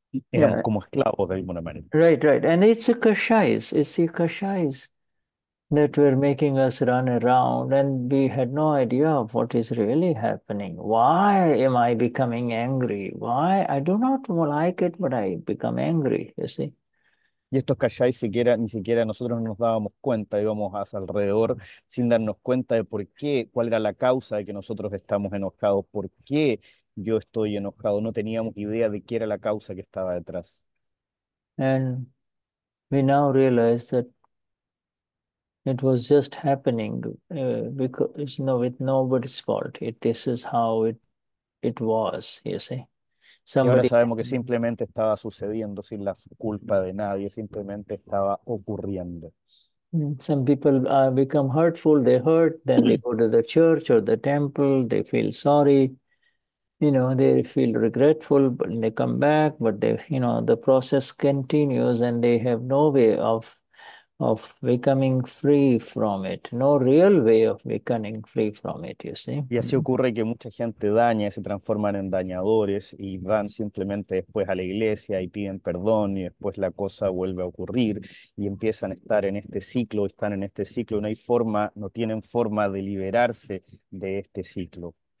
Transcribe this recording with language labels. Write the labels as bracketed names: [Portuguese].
[Spanish] Éramos como esclavos de alguna manera. [English] Right, right. And it's a kashayas. It's the kashayas that were making us run around, and we had no idea of what is really happening. Why am I becoming angry? Why? I do not like it, but I become angry, you see. [Spanish] Y estos kashayas ni siquiera nosotros nos dábamos cuenta, íbamos hacia alrededor sin darnos cuenta de por qué, cuál era la causa de que nosotros estamos enojados, por qué yo estoy enojado. No teníamos idea de qué era la causa que estaba detrás. [English] And we now realize that it was just happening because, you know, with nobody's fault. This is how it was, you see. Somebody, [Spanish] y ahora sabemos que simplemente estaba sucediendo sin la culpa de nadie, simplemente estaba ocurriendo. [English] Some people become hurtful, they hurt, then they go to the church or the temple, they feel sorry, you know, they feel regretful, but they come back, but they, you know, the process continues and they have no way of becoming free from it, no real way of becoming free from it, you see. [Spanish] Y así ocurre que mucha gente daña, se transforman en dañadores y van simplemente después a la iglesia y piden perdón y después la cosa vuelve a ocurrir y empiezan a estar en este ciclo, están en este ciclo, no hay forma, no tienen forma de liberarse de este ciclo.